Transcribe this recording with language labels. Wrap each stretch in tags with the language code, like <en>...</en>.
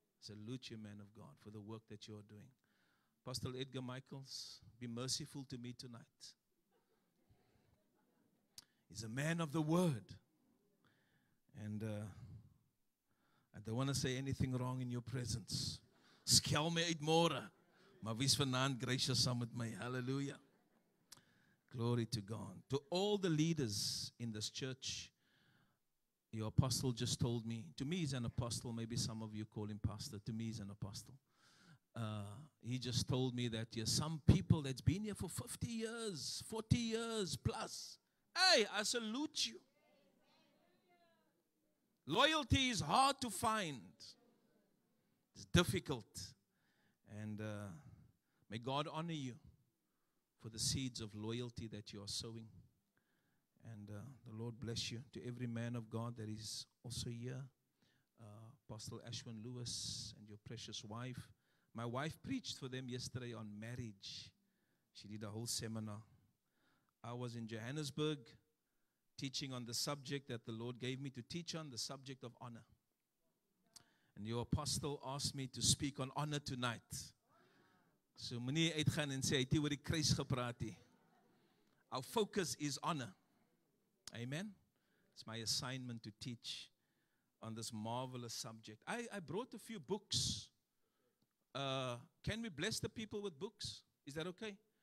<en>I salute you, man of God, for the work that you are doing. Apostle Edgar Michaels, be merciful to me tonight. He's a man of the word, and I don't want to say anything wrong in your presence.</en> <af>Skel me uit môre, maar wees vanaand gracious saam met my.</af> <en>Hallelujah. Glory to God. To all the leaders in this church, your apostle just told me, to me he's an apostle, maybe some of you call him pastor, to me he's an apostle. He just told me that there's some people that's been here for 50 years, 40 years plus. Hey, I salute you. Loyalty is hard to find. It's difficult. And may God honor you for the seeds of loyalty that you are sowing. And the Lord bless you. To every man of God that is also here, Apostle Ashwin Lewis and your precious wife. My wife preached for them yesterday on marriage. She did a whole seminar. I was in Johannesburg teaching on the subject that the Lord gave me to teach on, the subject of honor. And your apostle asked me to speak on honor tonight.</en> <af>So meneer uitgaan en sê, hy het hier oor die kruis gepraat.</af> <en>Our focus is honor. Amen. It's my assignment to teach on this marvelous subject. I brought a few books. Can we bless the people with books? Is that okay?</en>